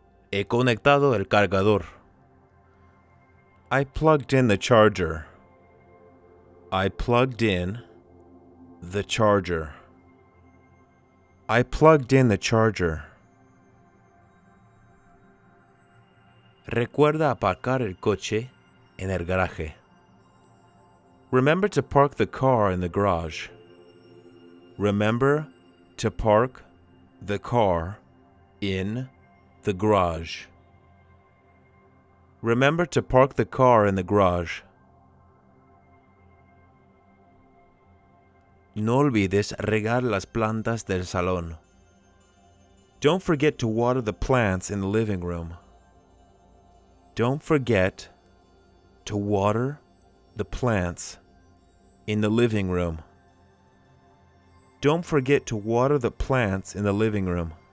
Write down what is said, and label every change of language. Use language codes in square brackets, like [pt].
[es] He conectado el cargador. [en] I plugged in the charger. I plugged in the charger. I plugged in the charger. [es] Recuerda aparcar el coche en el garaje. [en] Remember to park the car in the garage. Remember to park the car in the garage. Remember to park the car in the garage. [es] No olvides regar las plantas del salón. [en] Don't forget to water the plants in the living room. Don't forget to water the plants in the living room. Don't forget to water the plants in the living room.